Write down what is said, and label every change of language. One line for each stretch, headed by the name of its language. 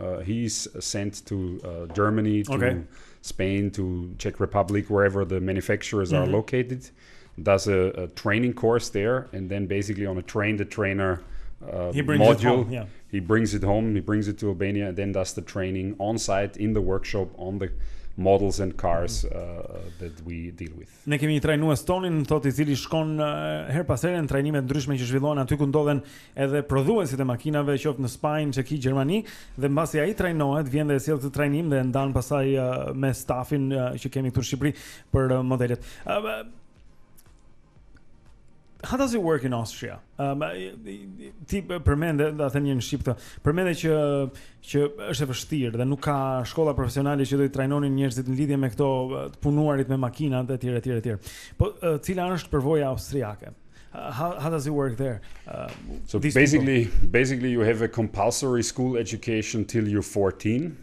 English: He's sent to Germany, to Spain, to Czech Republic, wherever the manufacturers are located. Does a training course there, and then basically on a train-the-trainer module, he brings it home, he brings it to Albania, and then does the training on-site, in the workshop, on the models and cars that we deal with.
Albanian: Ne kemi një trajnues tonin, thot i cili shkon her pas here në trajnime të ndryshme që zhvillohen aty ku ndodhen edhe prodhuesit e makinave, qoftë në Spanjë, Çeki, Gjermani, dhe mbasi ai trajnohet, vjen dhe sjell të trajnim dhe ndan pasaj me stafin që kemi këtu në Shqipëri për modelet.
English: How does it work in Austria?
Albanian: Ti përmende, da të një në Shqipë të, përmende që është e vështirë dhe nuk ka shkolla profesionale që do i trajnonin njerëzit në lidhje me këto të punuarit me makinat e tjere, tjere, tjere. Po, cila është përvoja austriake?
English: How does it work there? So basically, people? Basically you have a compulsory school education till you're 14.